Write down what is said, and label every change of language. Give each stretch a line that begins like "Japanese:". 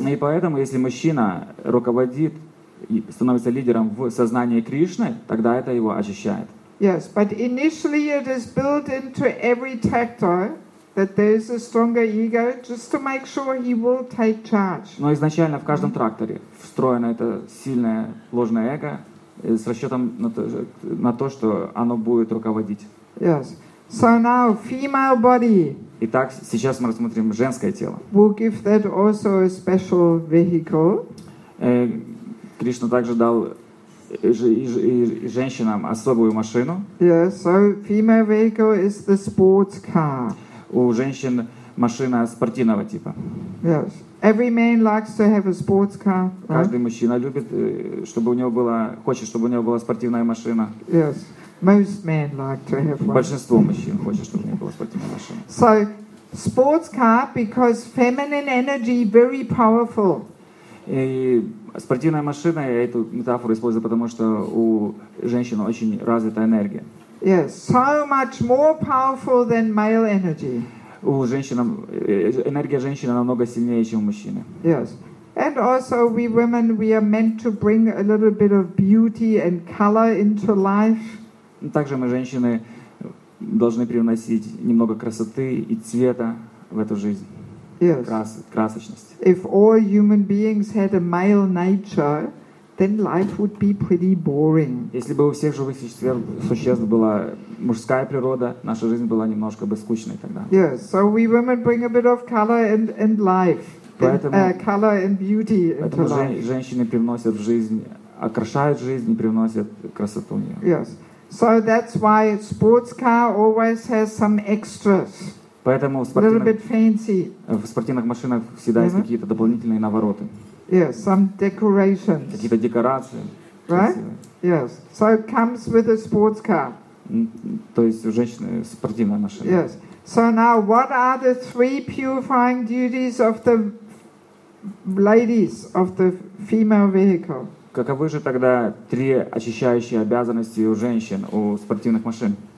Russian: И поэтому, если мужчина руководит и становится лидером в сознании Кришны, тогда это его очищает.
English: Yes, but initially it is built into every tactile that there is a stronger ego just to make sure he will take charge.
Russian: Но изначально в каждом тракторе встроено это сильное ложное эго с расчетом на то, что оно будет руководить.
English: Yes. So now female body.
Russian: Итак, сейчас мы рассмотрим женское тело.
English: We'll give that also a special vehicle.
Russian: Кришна также дал и женщинам особую машину.
English: Yes, so female vehicle is the sports car.
Russian: У женщин машина спортивного типа.
English: Yes. Every man likes to have a sports car. Right?
Russian: Каждый мужчина любит, чтобы у него было, хочет, чтобы у него была спортивная машина.
English: Yes. Most men like to have one.
Russian: Большинство мужчин хочет, чтобы у него была спортивная машина.
English: So, sports car because feminine energy very powerful.
Russian: И спортивная машина, я эту метафору использую, потому что у женщин очень развита энергия.
English: Yes, so much more powerful than male energy.
Russian: У женщин энергия женщины намного сильнее, чем у мужчины.
English: Yes, and also we women, we are meant to bring a little bit of beauty and color into life.
Russian: Также мы женщины должны привносить немного красоты и цвета в эту жизнь.
English: Yes.
Russian: Красочность.
English: If all human beings had a male nature, then life would be pretty boring.
Russian: Если бы у всех живых существ была мужская природа, наша жизнь была немножко бы скучной тогда.
English: Yes. So we women bring a bit of color and life, color and beauty into life.
Russian: Поэтому женщины привносят в жизнь, окрашают жизнь, привносят красоту в нее.
English: Yes. So that's why a sports car always has some extras.
Russian: Поэтому в спортивных машинах всегда есть какие-то дополнительные навороты.
English: Yes, some decorations.
Russian: Какие-то декорации.
English: Right? Yes. So it comes with a sports car.
Russian: То есть у женщины спортивная машина.
English: Yes. So now, what are the three purifying duties of the ladies of the female vehicle?
Russian: Каковы же тогда три очищающие обязанности у женщин у спортивных машин?